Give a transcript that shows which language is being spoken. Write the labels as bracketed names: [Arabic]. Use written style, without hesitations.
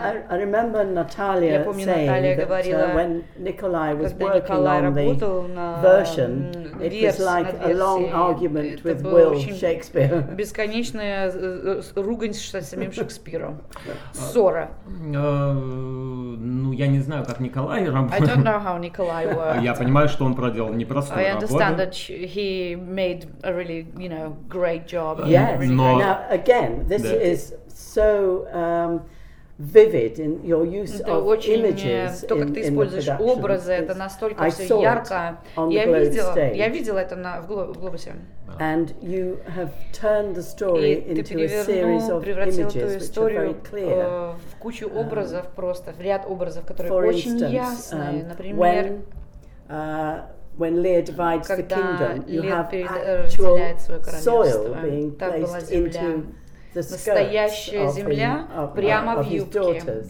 [English] I remember Natalia saying that when Nikolai was working on the version, it was like a long argument with Will Shakespeare. [Russian] Бесконечная ругань с самим Шекспиром. Ссора. Ну, я не знаю, как Николай работал. [English] I don't know how Nikolai worked. [Russian] Я понимаю, что он проделал непростую работу. [English] I understand that he made a really, you know, great job. Yes. Really Now, again, this is so vivid in your use of [Russian] очень, [English] images [Russian] то, как ты используешь образы, это настолько всё ярко. Я видела это в Глобусе. [English] And you have turned the story into a series of images, which are very clear. [Russian] В кучу образов просто, в ряд образов, которые очень ясные. Например, [English] when Lear divides the kingdom, you have actual soil being placed into the skirts [Russian] настоящая земля прямо в юбке.